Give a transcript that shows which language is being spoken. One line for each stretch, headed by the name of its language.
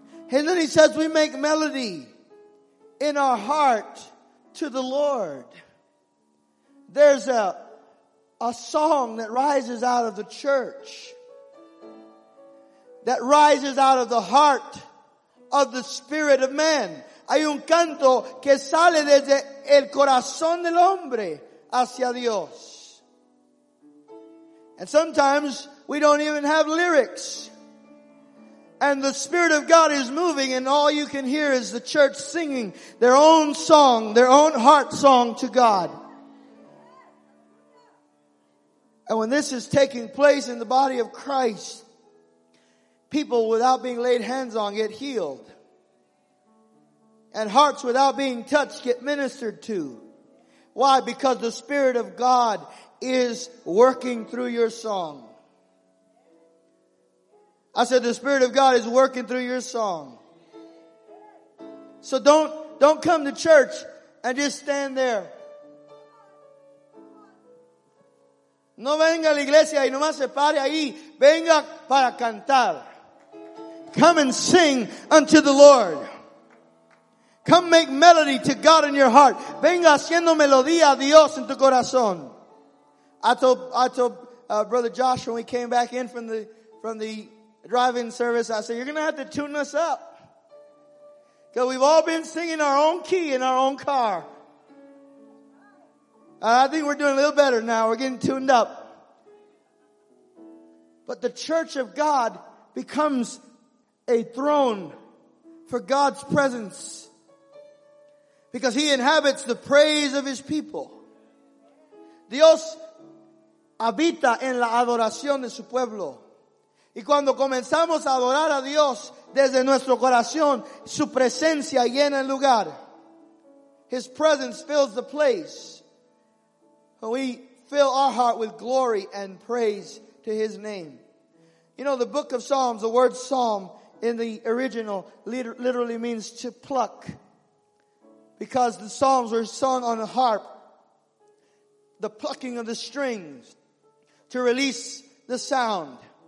English: And then he says we make melody in our heart to the Lord. There's a song that rises out of the church, that rises out of the heart of the spirit of man.
Spanish: Hay un canto que sale desde el corazón del hombre hacia Dios.
English: And sometimes we don't even have lyrics. And the Spirit of God is moving, and all you can hear is the church singing their own song, their own heart song to God. And when this is taking place in the body of Christ, people without being laid hands on get healed. And hearts without being touched get ministered to. Why? Because the Spirit of God is working through your song. I said, the Spirit of God is working through your song. So don't come to church and just stand there.
Spanish: No venga a la iglesia y nomás se pare ahí. Venga para cantar.
English: Come and sing unto the Lord. Come make melody to God in your heart.
Spanish: Venga haciendo melodía a Dios en tu corazón.
English: I told Brother Josh, when we came back in from the drive-in service, I said, you're going to have to tune us up. Because we've all been singing our own key in our own car. And I think we're doing a little better now. We're getting tuned up. But the church of God becomes a throne for God's presence. Because he inhabits the praise of his people.
Spanish: Dios habita en la adoración de su pueblo. Y cuando comenzamos a adorar a Dios desde nuestro corazón, su presencia llena el lugar.
English: His presence fills the place. We fill our heart with glory and praise to his name. You know, the book of Psalms, the word psalm in the original literally means to pluck. Because the psalms were sung on a harp. The plucking of the strings to release the sound.